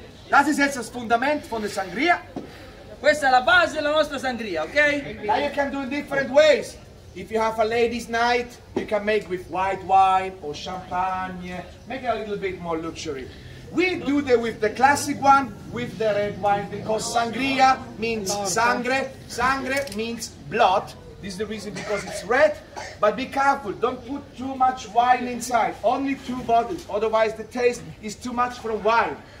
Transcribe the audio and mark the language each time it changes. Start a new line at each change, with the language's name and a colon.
German: Das ist jetzt das Fundament von der sangria.
Italian: Questa è la base della nostra sangria, ok?
English: Now you can do in different ways. If you have a ladies night, you can make with white wine or champagne. Make it a little bit more luxury. We do the with the classic one, with the red wine, because sangria means sangre. Sangre means blood. This is the reason, because it's red, but be careful, don't put too much wine inside, only two bottles, otherwise the taste is too much from wine.